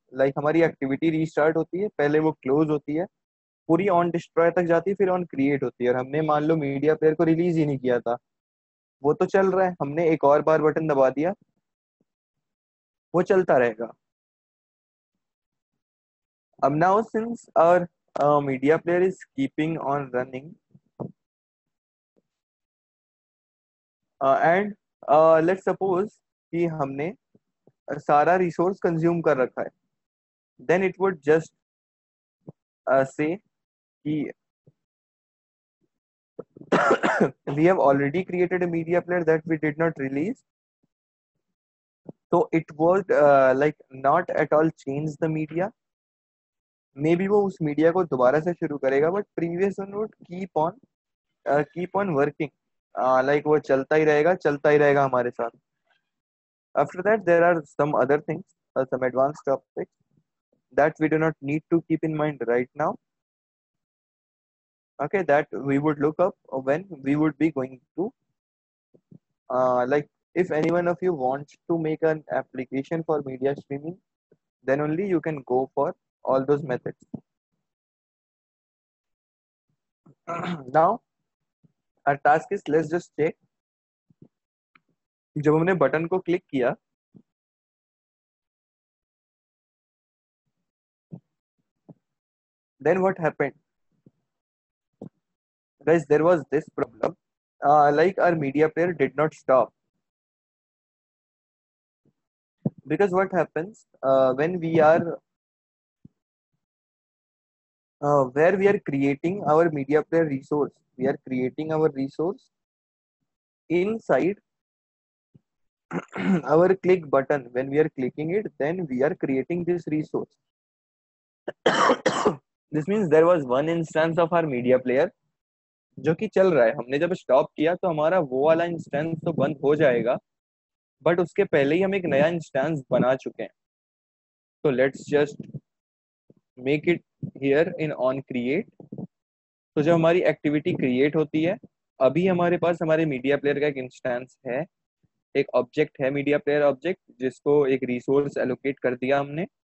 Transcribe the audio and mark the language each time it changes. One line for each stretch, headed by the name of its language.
Hindi: Like हमारी activity restart होती है, पहले वो क्लोज होती है, पूरी ऑन डिस्ट्रॉय तक जाती है, फिर ऑन क्रिएट होती है. और हमने मान लो मीडिया प्लेयर को रिलीज ही नहीं किया था, वो तो चल रहा है, हमने एक और बार बटन दबा दिया, वो चलता रहेगा.
English: Now since our media player is keeping on running, and let's suppose
Hindi: ki humne sara resource consume kar rakha hai,
English: then it would just say ki we have already created a media player that we did not release, so it would like not at all change the media. Maybe
Hindi: वो उस media को दोबारा से शुरू करेगा,
English: But previous one would keep on working. Like
Hindi: वो चलता ही रहेगा हमारे साथ.
English: After that there are some other things, some advance topics that we do not need to keep in mind right now. Okay, that we would look up when we would be going to, like if any one of you wants to make an application for media streaming, then only you can go for all those methods. Now our task is, let's just check,
Hindi: जब हमने button को click किया
English: then what happened? Guys, there was this problem, like our media player did not stop. Because what happens, when we are, where we are creating our media player resource, we are creating our resource inside our click button. When we are clicking it, then we are creating this resource. This means there was one instance of our media player
Hindi: जो कि चल रहा है. हमने जब stop किया तो हमारा वो वाला इंस्टेंस तो बंद हो जाएगा, बट उसके पहले ही हम एक नया इंस्टेंस बना चुके हैं.
English: तो let's just make it here in on create.
Hindi: तो जब हमारी एक्टिविटी क्रिएट होती है, अभी हमारे पास हमारे मीडिया प्लेयर का एक इंस्टेंस है, एक ऑब्जेक्ट है मीडिया प्लेयर ऑब्जेक्ट, जिसको एक रिसोर्स एलोकेट कर दिया हमने.